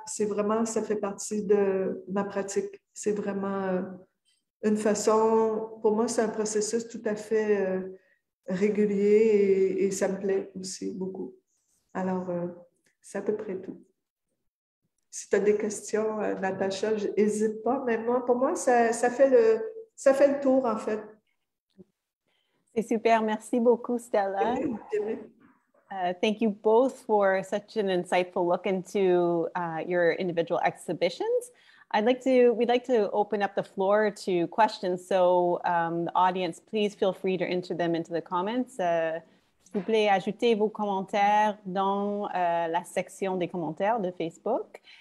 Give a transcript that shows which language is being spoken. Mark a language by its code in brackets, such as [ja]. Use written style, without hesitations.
[fr] C'est vraiment, ça fait partie de ma pratique. C'est vraiment une façon, pour moi, c'est un processus tout à fait régulier et ça me plaît aussi beaucoup. Alors, c'est à peu près tout. Si tu as des questions, Natacha, n'hésite pas. Mais moi, pour moi, ça fait le tour, en fait. C'est super. Merci beaucoup, Stella. Oui, oui. [en] Thank you both for such an insightful look into your individual exhibitions. We'd like to open up the floor to questions. So, the audience, please feel free to enter them into the comments. [fr] S'il vous plaît, ajoutez vos commentaires dans la section des commentaires de Facebook.